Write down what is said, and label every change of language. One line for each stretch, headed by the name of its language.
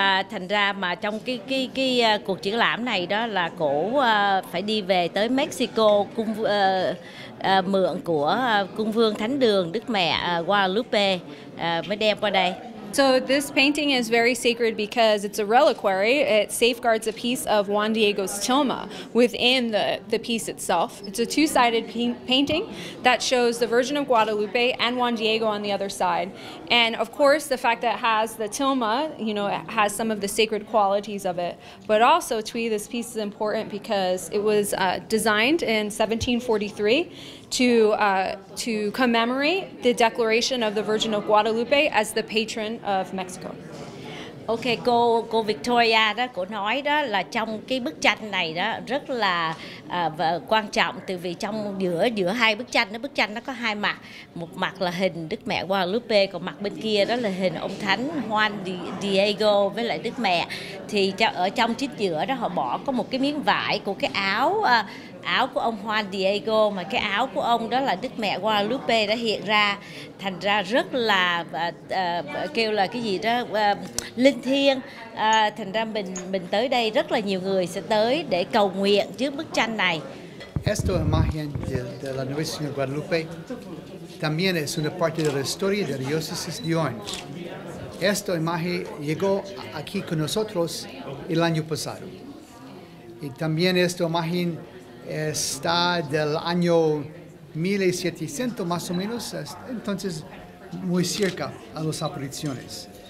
Vietnamese: Thành ra mà trong cái cuộc triển lãm này đó là cổ phải đi về tới Mexico cung mượn của cung vương thánh đường Đức Mẹ Guadalupe mới đem qua đây.
English: So this painting is very sacred because it's a reliquary. It safeguards a piece of Juan Diego's Tilma within the piece itself. It's a two-sided painting that shows the Virgin of Guadalupe and Juan Diego on the other side. And of course, the fact that it has the Tilma, you know, it has some of the sacred qualities of it. But also, Twi, this piece is important because it was designed in 1743. To commemorate the declaration of the Virgin of Guadalupe as the patron of Mexico.
Vietnamese: Ok, cô Victoria đó, cô nói đó là trong cái bức tranh này đó rất là quan trọng, từ vì trong giữa hai bức tranh nó có hai mặt, một mặt là hình Đức Mẹ Guadalupe, còn mặt bên kia đó là hình ông Thánh Juan Diego với lại Đức Mẹ. Thì ở trong chính giữa đó họ bỏ có một cái miếng vải của cái áo của ông Juan Diego, mà cái áo của ông đó là Đức Mẹ Guadalupe đã hiện ra, thành ra rất là kêu là cái gì đó linh thiêng. Thành ra mình tới đây rất là nhiều người sẽ tới để cầu nguyện trước bức tranh này.
Spanish: Esta imagen de la Nuestra Señora de Guadalupe también es una parte de la historia de la diócesis de Orange. Esta imagen llegó aquí con nosotros el año pasado, y también esta imagen está del año 1700 más o menos, entonces muy cerca a las apariciones.